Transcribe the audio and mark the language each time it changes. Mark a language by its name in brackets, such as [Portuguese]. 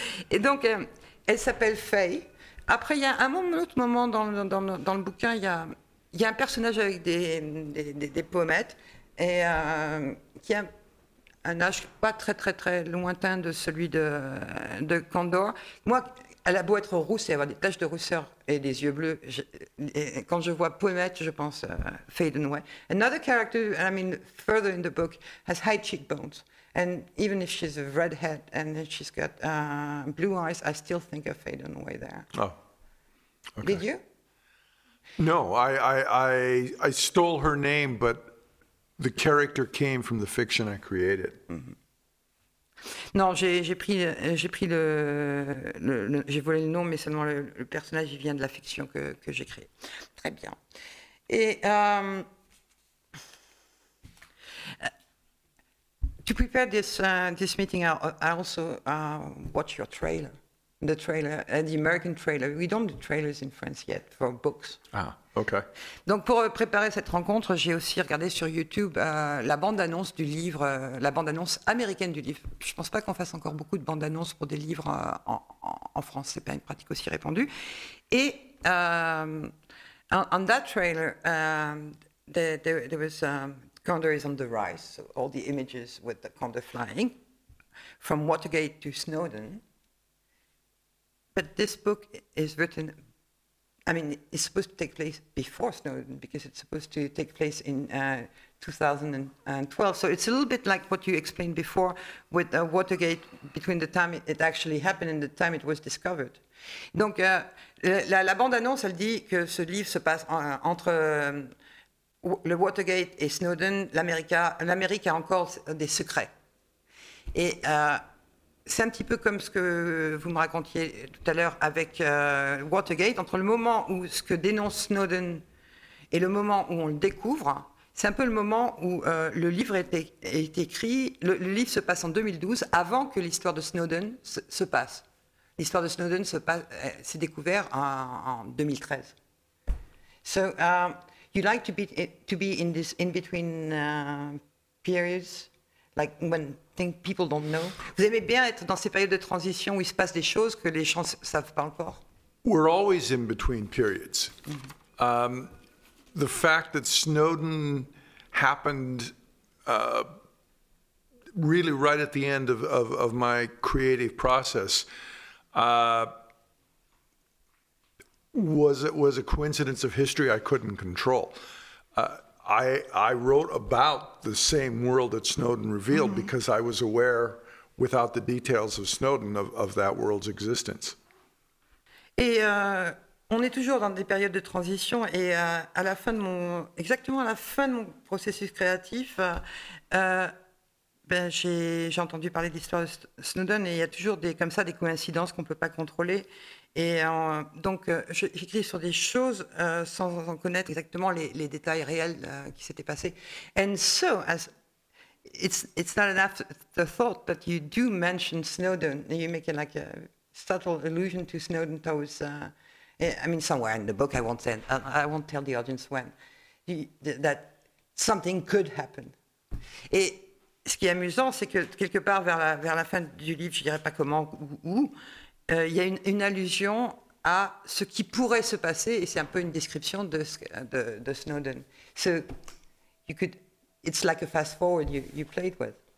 [French] Et donc, elle s'appelle Faye. Après, il y a un autre moment dans le bouquin, il y a un personnage avec des pommettes et qui a un âge pas très très très lointain de celui de Condor. Moi, elle a beau être rousse et avoir des taches de rousseur et des yeux bleus, quand je vois Pommette, je pense Faye Dunaway. [English] Another character, I mean, further in the book, has high cheekbones. And even if she's a redhead and she's got blue eyes, I still think of Faye Dunaway there. Oh, okay. Did you? No, I stole her name, but the character came from the fiction I created. Mm-hmm. [French] Non, j'ai volé le nom, mais seulement le personnage il vient de la fiction que j'ai créée. Très bien. [English] Et to prepare this meeting, I also watch your trailer, the American trailer. We don't do trailers in France yet for books. Ah, okay. [French] Donc pour préparer cette rencontre, j'ai aussi regardé sur YouTube la bande-annonce du livre, la bande-annonce américaine du livre. Je ne pense pas qu'on fasse encore beaucoup de bandes-annonces pour des livres en France. C'est pas une pratique aussi répandue. [English] Et on that trailer, there was Condor is on the rise. So all the images with the Condor flying from Watergate to Snowden. But this book is written, I mean, it's supposed to take place before Snowden because it's supposed to take place in 2012. So it's a little bit like what you explained before with Watergate, between the time it actually happened and the time it was discovered. [French] Donc, la bande-annonce, elle dit que ce livre se passe entre le Watergate et Snowden. L'Amérique a encore des secrets. Et c'est un petit peu comme ce que vous me racontiez tout à l'heure avec Watergate. Entre le moment où ce que dénonce Snowden et le moment où on le découvre, c'est un peu le moment où le livre est écrit. Le livre se passe en 2012, avant que l'histoire de Snowden se passe. L'histoire de Snowden s'est découverte en 2013. [English] So, you like to be in this in-between periods, like when people don't know. [French] Vous aimez bien être dans ces périodes de transition où il se passe des choses que les gens savent pas encore. [English] We're always in between periods. Mm-hmm. The fact that Snowden happened really right at the end of my creative process was a coincidence of history I couldn't control. I wrote about the same world that Snowden revealed, mm-hmm, because I was aware, without the details of Snowden, of that world's existence. [French] Et On est toujours dans des périodes de transition et à la fin de mon, exactement à la fin de mon processus créatif, ben j'ai entendu parler de l'histoire de Snowden et il y a toujours des, comme ça, des coïncidences qu'on ne peut pas contrôler. Et donc j'écris sur des choses sans en connaître exactement les détails réels qui s'étaient passés. [English] And so, as it's not an afterthought, but you do mention Snowden, you make it like a subtle allusion to Snowden towards... I mean, somewhere in the book, I won't say, I won't tell the audience when, that something could happen. [French] Et ce qui est amusant, c'est que quelque part vers la fin du livre, je dirais pas comment ou où, il y a une allusion à ce qui pourrait se passer, et c'est un peu une description de Snowden. [English] So you could, it's like a fast forward you played with.